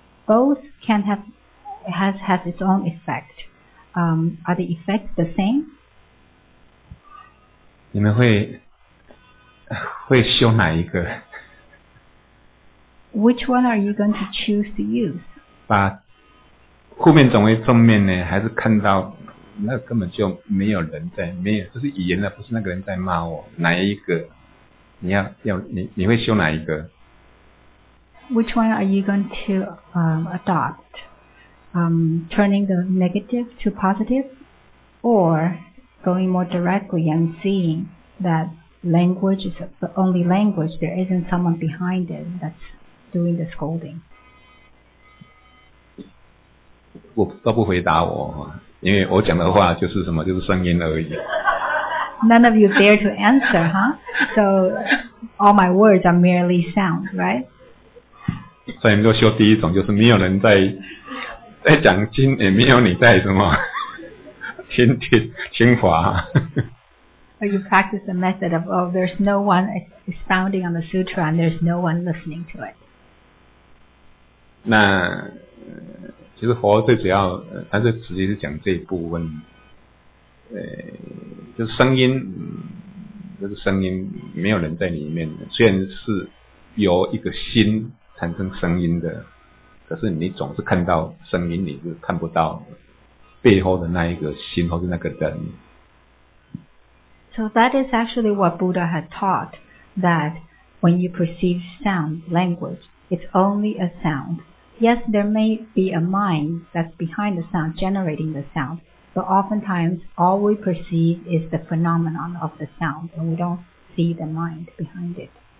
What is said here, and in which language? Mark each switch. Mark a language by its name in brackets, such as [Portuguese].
[English] Both can have its own effect. Are the effects the same? [Chinese] 你们会修哪一个？ [English] Which one are you going to choose to use? [Chinese] 把负面转为正面呢？还是看到那根本就没有人在，没有，就是语言的，不是那个人在骂我，哪一个？你会修哪一个？ [English] Which one are you going to adopt? Turning the negative to positive? Or going more directly and seeing that language is the only language, there isn't someone behind it that's doing the scolding? [Chinese] 我都不回答我，因为我讲的话就是什么，就是声音而已。 [English] None of you dare to answer, huh? So all my words are merely sound, right? [Chinese] 所以你就修第一种，就是没有人在讲经，也没有你在什么倾听、听法。 [English] or you practice the method of, oh, there's no one expounding on the sutra and there's no one listening to it. [Chinese] 那其实佛最主要他就直接讲这一部分，就是声音，就是声音没有人在里面，虽然是由一个心产生声音的，可是你总是看到声音，你是看不到背后的那一个心或是那个人。 [English] So that is actually what Buddha had taught, that when you perceive sound, language, it's only a sound. Yes, there may be a mind that's behind the sound, generating the sound, but oftentimes all we perceive is the phenomenon of the sound, and we don't see the mind behind it.